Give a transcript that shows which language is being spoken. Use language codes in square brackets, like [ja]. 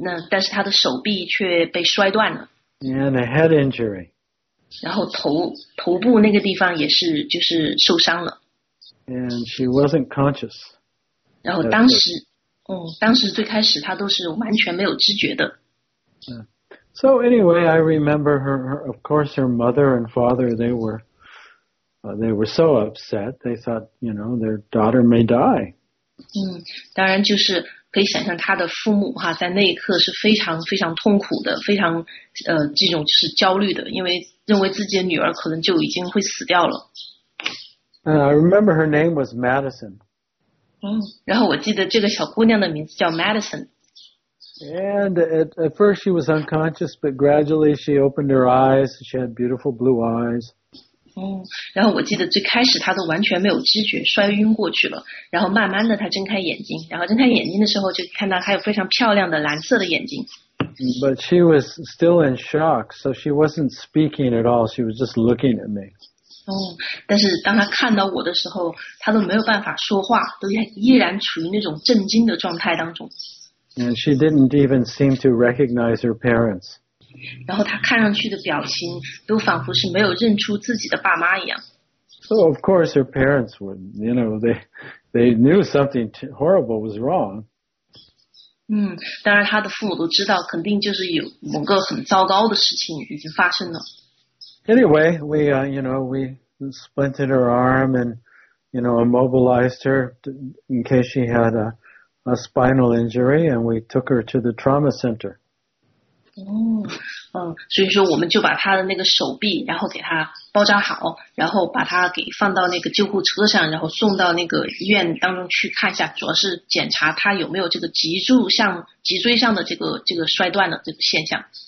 [zh] 但是她的手臂却被摔断了。 [en] And a head injury. [zh] 然后头部那个地方也是就是受伤了。 [en] And she wasn't conscious. [zh] 然后当时最开始她都是完全没有知觉的。 [en] So anyway, I remember her, of course, her mother and father, they were so upset. They thought, their daughter may die. [zh] 当然就是可以想象她的父母哈，在那一刻是非常非常痛苦的，非常这种就是焦虑的，因为认为自己的女儿可能就已经会死掉了。 [en] I remember her name was Madison. [zh] 然后我记得这个小姑娘的名字叫 Madison. [en] And at first she was unconscious, but gradually she opened her eyes. She had beautiful blue eyes. [zh] 然后我记得最开始她都完全没有知觉，摔晕过去了。然后慢慢的她睁开眼睛，然后睁开眼睛的时候就看到她有非常漂亮的蓝色的眼睛。 [en] But she was still in shock, so she wasn't speaking at all. She was just looking at me. [zh] 但是当他看到我的时候，他都没有办法说话，都依然处于那种震惊的状态当中。 [en] And she didn't even seem to recognize her parents. [zh] 然后他看上去的表情都仿佛是没有认出自己的爸妈一样。 [en] So of course her parents would, they knew something horrible was wrong. [zh] 当然他的父母都知道，肯定就是有某个很糟糕的事情已经发生了。 [en] Anyway, we, you know, we splinted her arm and, you know, immobilized her in case she had a spinal injury, and we took her to the trauma center. [zh] 所以说我们就把她的那个手臂然后给她包扎好，然后把她给放到那个救护车上，然后送到那个医院当中去看一下，主要是检查她有没有这个脊椎上的这个摔断的这个现象。